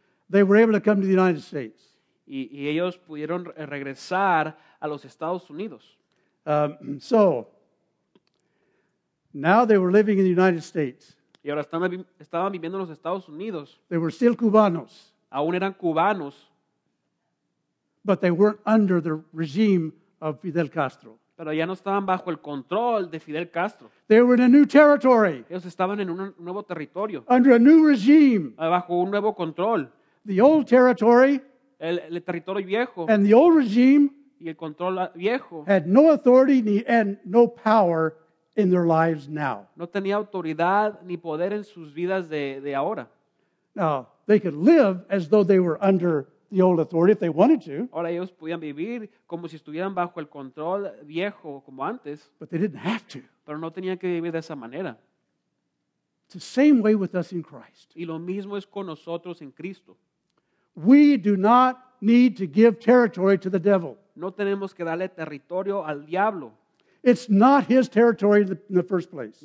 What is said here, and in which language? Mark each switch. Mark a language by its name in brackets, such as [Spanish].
[English] They were able to come to the United States. [Spanish] Y ellos pudieron regresar a los Estados Unidos. [English] So now they were living in the United States. [Spanish] Y ahora estaban viviendo en los Estados Unidos. [English] They were still cubanos. [Spanish] Aún eran cubanos. [English] But they weren't under the regime of Fidel Castro. [Spanish] Pero ya no estaban bajo el control de Fidel Castro. [English] They were in a new territory. [Spanish] Ellos estaban en un nuevo territorio. [English] Under a new regime. [Spanish] Bajo un nuevo control. [English] The old territory. [Spanish] el territorio viejo. [English] And the old regime [Spanish] y el control viejo [English] had no authority and no power in their lives now. [Spanish] No tenía autoridad ni poder en sus vidas de ahora. [English] Now, they could live as though they were under the old authority if they wanted to. [Spanish] Ahora ellos podían vivir como si estuvieran bajo el control viejo como antes. [English] But they didn't have to. [Spanish] Pero no tenían que vivir de esa manera. [English] It's the same way with us in Christ. [Spanish] Y lo mismo es con nosotros en Cristo. [English] We do not need to give territory to the devil. [Spanish] No tenemos que darle territorio al diablo. [English] It's not his territory in the first place.